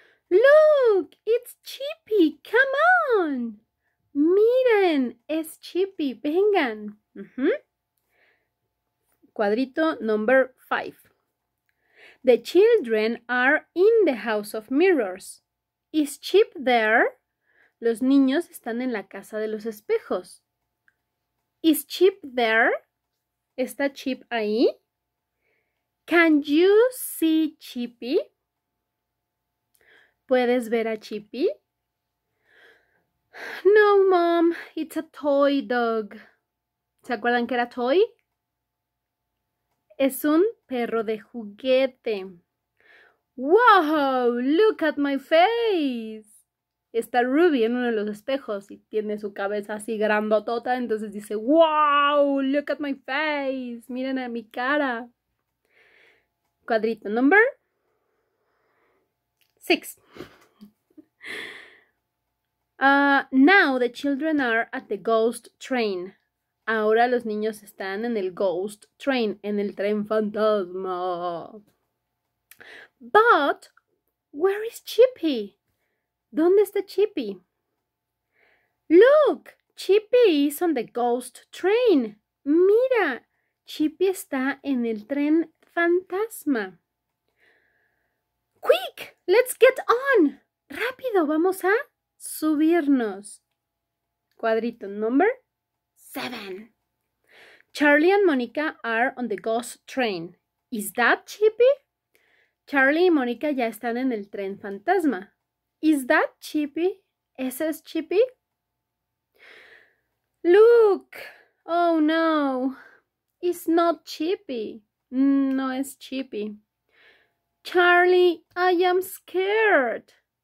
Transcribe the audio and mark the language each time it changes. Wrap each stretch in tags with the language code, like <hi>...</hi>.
<en>Look, it's Chippy. Come on.</en> <es>Miren, es Chippy. Vengan. Cuadrito</es> <en>number five. The children are in the House of Mirrors. Is Chip there?</en> <es>Los niños están en la casa de los espejos.</es> <en>Is Chip there?</en> <es>¿Está Chip ahí?</es> <en>Can you see Chippy?</en> <es>¿Puedes ver a Chippy?</es> <en>No, mom, it's a toy dog.</en> <es>¿Se acuerdan que era toy? Es un perro de juguete. ¡Wow!</es> <en>¡Look at my face!</en> <es>Está Ruby en uno de los espejos y tiene su cabeza así grandotota. Entonces dice,</es> <en>¡wow! ¡Look at my face!</en> <es>¡Miren a mi cara! Cuadrito</es> <en>number 6. Now the children are at the ghost train.</en> <es>Ahora los niños están en el ghost train, en el tren fantasma.</es> <en>But, where is Chippy?</en> <es>¿Dónde está Chippy?</es> <en>Look, Chippy is on the ghost train.</en> <es>Mira, Chippy está en el tren fantasma.</es> <en>Quick, let's get on.</en> <es>Rápido, vamos a subirnos. Cuadrito</es> <en>number 7. Charlie and Mónica are on the ghost train. Is that Chippy?</en> <es>Charlie y Mónica ya están en el tren fantasma.</es> <en>Is that Chippy?</en> <es>¿Ese es Chippy?</es> <en>Look! Oh no! It's not Chippy.</en> <es>No es Chippy.</es> <en>Charlie, I am scared.</en>